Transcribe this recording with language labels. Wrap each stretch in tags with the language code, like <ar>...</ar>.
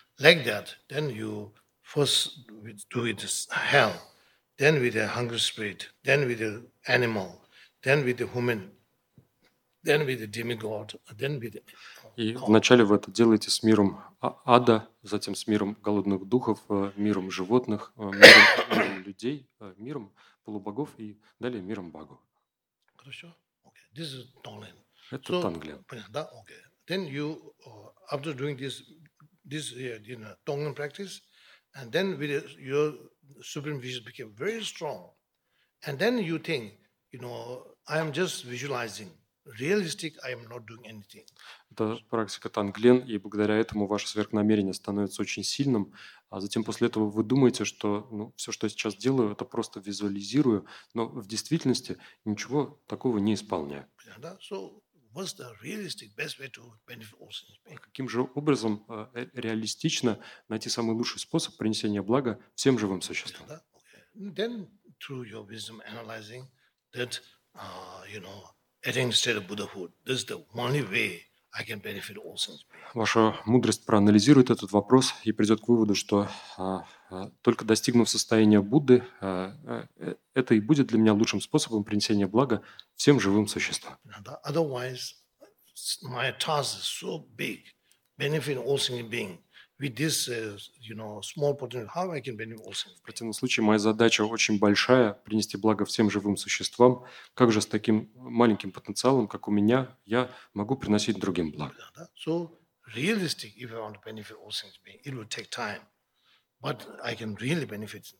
<en>Like that, then you first do it as hell, then with a hungry spirit, then with an animal, then with a human, then with a demigod, then with a...</en> <ru>И вначале вы это делаете с миром ада, затем с миром голодных духов, миром животных, миром людей, миром полубогов и далее миром богов. Хорошо.</ru> <en>Okay. This is Tonglen.</en> <ru>Это Тонглен. Понятно, да? Okay.</ru> <en>Then you, after doing this you know, Tonglen practice, and then with your supreme vision became very strong, and then you think, you know, I am just visualizing. Realistic, I am not doing anything.</en> <ru>Это практика Тонглен, и благодаря этому ваше сверхнамерение становится очень сильным. А затем после этого вы думаете, что ну, все, что я сейчас делаю, это просто визуализирую, но в действительности ничего такого не исполняю.</ru> <en>So, what's the realistic best way to benefit all sentient beings?</en> <ru>Каким же образом реалистично найти самый лучший способ принесения блага всем живым существам?</ru> <en>Then, through your wisdom analyzing that, you know, attaining state of Buddhahood, this is the only way I can benefit all sentient beings.</en> <ru>Ваша мудрость проанализирует этот вопрос и придет к выводу, что только достигнув состояния Будды, это и будет для меня лучшим способом принесения блага всем живым существам.</ru> <en>Otherwise, my task is so big, benefiting all sentient beings. With this, you know, small potential, how I can benefit all sentient beings?</en> <ru>В противном случае моя задача очень большая – принести благо всем живым существам. Как же с таким маленьким потенциалом, как у меня, я могу приносить другим благо?</ru> <en>So realistic, if I want to benefit all sentient beings, it will take time, but I can really benefit.</en>